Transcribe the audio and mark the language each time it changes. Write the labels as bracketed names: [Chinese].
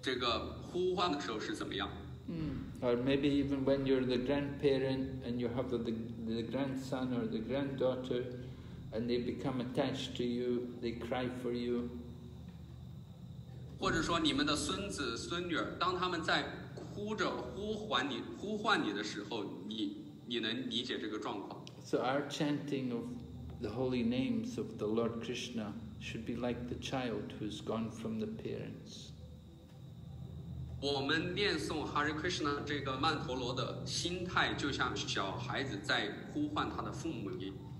[Chinese] 你们中的大多数人都是有小孩子的，你们也知道当你们的小孩子这个呼唤的时候是怎么样。 [English] Or maybe even when you're the grandparent and you have the grandson or the granddaughter and they become attached to you, they cry for you. [Chinese] 或者说你们的孙子孙女当他们在哭着呼唤你的时候，你能理解这个状况。 [English] So our chanting of the holy names of the Lord Krishna should be like the child who's gone from the parents. [Chinese] 我们念诵 Hare Krishna 这个曼陀罗的心态，就像小孩子在呼唤他的父母一样。